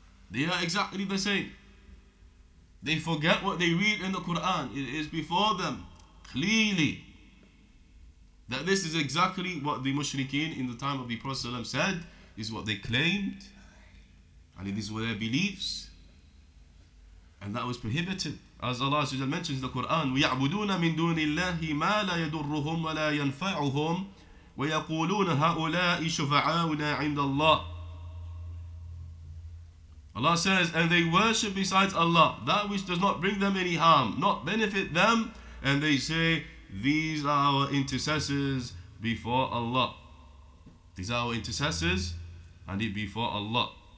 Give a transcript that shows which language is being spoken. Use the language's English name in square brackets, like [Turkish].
[English] They are exactly the same. They forget what they read in the Quran. It is before them clearly that this is exactly what the mushrikeen in the time of the Prophet Sallallahu Alaihi Wasallam said. This is what they claimed. And these were their beliefs. And that was prohibited. As Allah mentions in the Quran, [Arabic] وَيَعْبُدُونَ مِن دُونِ اللَّهِ مَا لَا يَدُرُّهُمْ وَلَا يَنْفَعُهُمْ وَيَقُولُونَ هَؤُلَاءِ شُفَعَاؤُنَا عِنْدَ اللَّهِ. [English] Allah says, and they worship besides Allah that which does not bring them any harm, not benefit them, and they say, these are our intercessors before Allah. These are our intercessors before Allah.